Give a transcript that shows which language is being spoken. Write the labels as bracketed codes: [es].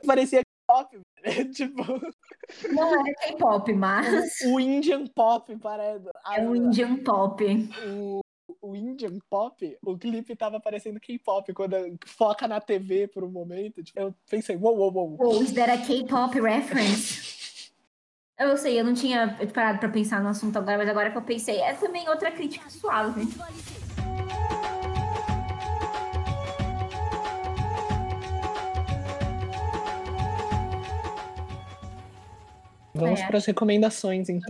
[pt] Parecia K-pop, velho. Tipo... Não era K-pop, mas... O Indian Pop, parece... É o Indian Pop. O Indian Pop, o clipe tava parecendo K-pop. Quando foca na TV por um momento, tipo, eu pensei, uou, uou, uou. [en] Is that a K-pop reference? [pt] Eu sei, eu não tinha parado pra pensar no assunto agora, mas agora que eu pensei, é também outra crítica suave. Vamos para as recomendações, então.